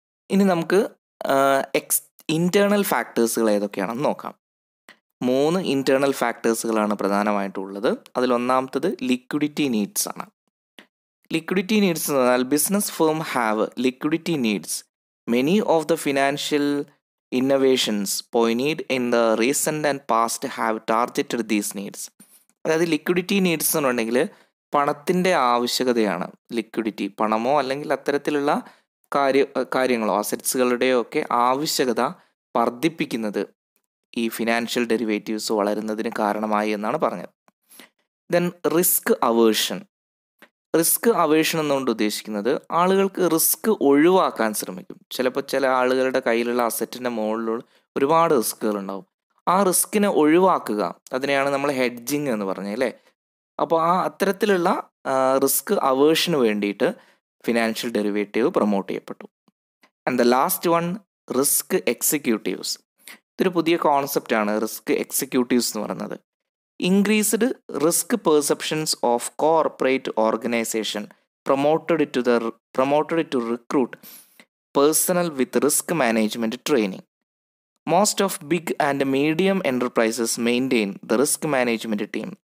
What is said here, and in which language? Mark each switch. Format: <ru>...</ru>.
<ml>ഇനി നമുക്ക് ഇന്റേണൽ ഫാക്ടേഴ്സുകൾ ഏതൊക്കെയാണെന്ന് നോക്കാം. മൂന്ന് ഇന്റേണൽ ഫാക്ടേഴ്സുകളാണ് പ്രധാനമായിട്ടുള്ളത്. അതിലൊന്നാമത്തത് ലിക്വിഡിറ്റി നീഡ്സ് ആണ്.</ml> <en>liquidity needs</en> <ml>എന്ന് പറഞ്ഞാൽ</ml> <en>Business firm have liquidity needs. Many of the financial innovations pioneered in the recent and past have targeted these needs.</en> <ml>അതായത് ലിക്വിഡിറ്റി നീഡ്സ് എന്നുണ്ടെങ്കിൽ പണത്തിൻ്റെ ആവശ്യകതയാണ്. ലിക്വിഡിറ്റി പണമോ അല്ലെങ്കിൽ അത്തരത്തിലുള്ള കാര്യങ്ങളോ അസറ്റ്സുകളുടെയോ ഒക്കെ ആവശ്യകത വർദ്ധിപ്പിക്കുന്നത് ഈ ഫിനാൻഷ്യൽ ഡെറിവേറ്റീവ്സ് വളരുന്നതിന് കാരണമായി എന്നാണ് പറഞ്ഞത്. Then risk അവേഴ്ഷൻ. റിസ്ക് അവേഷൻ എന്നുകൊണ്ട് ഉദ്ദേശിക്കുന്നത് ആളുകൾക്ക് റിസ്ക് ഒഴിവാക്കാൻ ശ്രമിക്കും. ചിലപ്പോൾ ചില ആളുകളുടെ കയ്യിലുള്ള അസറ്റിൻ്റെ മുകളിലുള്ള ഒരുപാട് റിസ്കുകൾ ഉണ്ടാവും. ആ റിസ്കിനെ ഒഴിവാക്കുക, അതിനെയാണ് നമ്മൾ ഹെഡ്ജിങ് എന്ന് പറഞ്ഞത് അല്ലേ. അപ്പോൾ ആ അത്തരത്തിലുള്ള റിസ്ക് അവേഷന് വേണ്ടിയിട്ട് ഫിനാൻഷ്യൽ ഡെറിവേറ്റീവ് പ്രൊമോട്ട് ചെയ്യപ്പെട്ടു.</ml> <en>and the last one,</en> <ml>risk executives. ഇതൊരു പുതിയ കോൺസെപ്റ്റാണ് റിസ്ക് എക്സിക്യൂട്ടീവ്സ് എന്ന് പറയുന്നത്.</ml> <en>Increased risk perceptions of corporate organization promoted to recruit personnel with risk management training. Most of big and medium enterprises maintain the risk management team.</en>